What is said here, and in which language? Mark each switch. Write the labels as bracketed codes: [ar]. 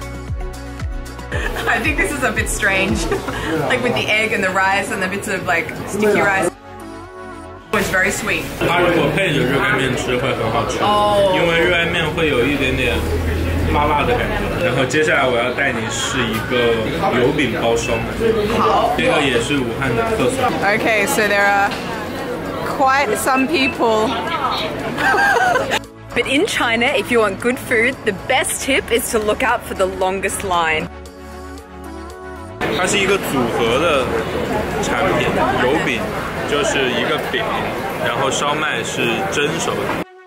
[en] I think this is a bit strange, like with the egg and the rice and the bits of like sticky rice. It's very sweet. [zh] 它如果配着热干面吃会很好吃，因为热干面会有一点点。麻辣的感觉，然后接下来我要带你试一个油饼包烧麦，这个也是武汉的特色。 [en] Okay. Okay, so there are quite some people. But in China, if you want good food, the best tip is to look out for the longest line. [zh] 它是一个组合的产品，油饼就是一个饼，然后烧麦是蒸熟的。